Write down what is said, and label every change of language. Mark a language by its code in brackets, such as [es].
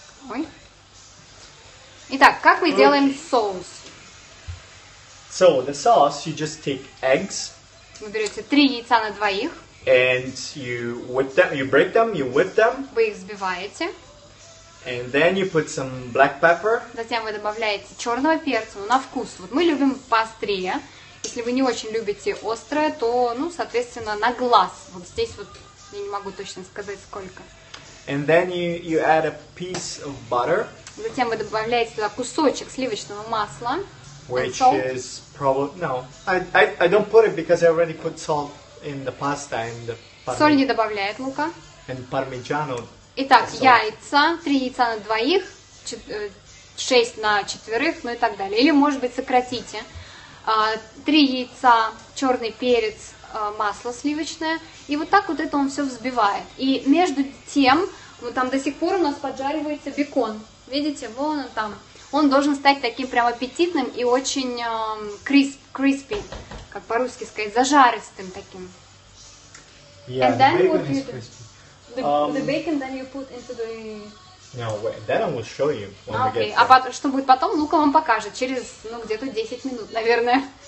[ru] Ой. Итак, как мы делаем соус? [en] So the sauce, you just take eggs. [ru] Вы берете 3 яйца на двоих. [en] And you whip them, you break them, you whip them. [ru] Вы их взбиваете. [en] And then you put some black pepper. [ru] Затем вы добавляете черного перца, на вкус. Вот мы любим поострее. Если вы не очень любите острое, то, ну, соответственно, на глаз. Вот здесь вот я не могу точно сказать, сколько. [en] And then you add a piece of butter. [ru] Затем вы добавляете туда кусочек сливочного масла. [en] Which is probably... No, I don't put it because I already put salt in the pasta and the [ru] parmigiano. Соль не добавляет, Лука. [en] And parmigiano. [ru] Итак, яйца, 3 яйца на двоих, 6 на четверых, ну и так далее. Или, может быть, сократите. 3 яйца, черный перец, масло сливочное. И вот так вот это он все взбивает. И между тем, вот там до сих пор у нас поджаривается бекон. Видите, вон он там. Он должен стать таким прям аппетитным и очень crispy, как по-русски сказать, зажаристым таким. [en] Yeah, and then the bacon what the bacon then you put into the... No, wait, then I will show you when okay. we get there. [ru] Okay, а что будет потом, Лука вам покажет через, ну, где-то 10 минут, наверное.